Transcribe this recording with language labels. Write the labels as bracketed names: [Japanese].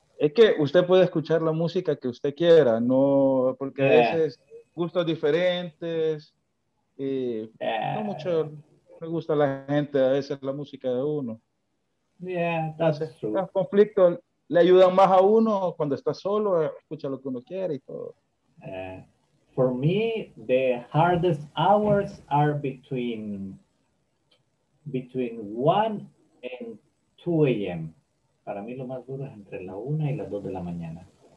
[Spanish] Es que usted puede escuchar la música que usted quiera, no, porque a veces gustos diferentes, no mucho me gusta la gente, a veces la música de uno. [English] Yeah, that's true. [Spanish] Los conflictos le ayudan más a uno cuando está solo, escucha lo que uno quiere y todo. [English] For me, the hardest hours are between 1 and 2 a.m. [Spanish] Para mí lo más duro es entre la 1 y las 2 de la mañana.